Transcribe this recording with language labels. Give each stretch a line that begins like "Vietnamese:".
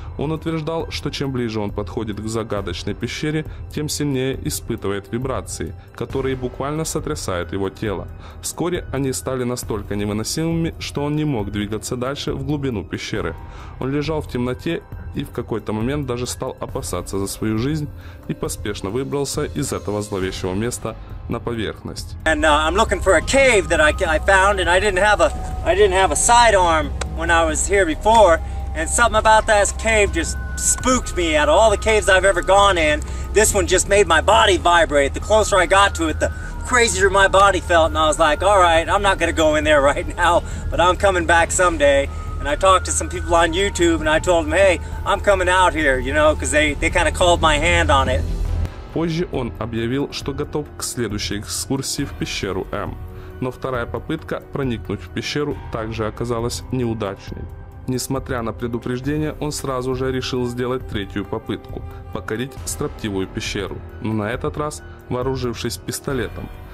Russian: Он утверждал, что чем ближе он подходит к загадочной пещере, тем сильнее испытывает вибрации, которые буквально сотрясают его тело. Вскоре они стали настолько невыносимыми, что он не мог двигаться дальше в глубину пещеры. Он лежал в темноте и в какой-то момент даже стал опасаться за свою жизнь и поспешно выбрался из этого зловещего места на поверхность.
English: And I'm looking for a cave that I found, and I didn't have a sidearm when I was here before, and something about that cave just spooked me. Out of all the caves I've ever gone in, this one just made my body vibrate. The closer I got to it, the crazier my body felt, and I was like, all right, I'm not gonna go in there right now, but I'm coming back someday. And I talked to some people on YouTube, and I told them, hey, I'm coming out here, you know, because they kind of called my hand on it.
Russian: Позже он объявил, что готов к следующей экскурсии в пещеру М. Но вторая попытка проникнуть в пещеру также оказалась неудачной. Несмотря на предупреждение, он сразу же решил сделать третью попытку – покорить строптивую пещеру, но на этот раз вооружившись пистолетом.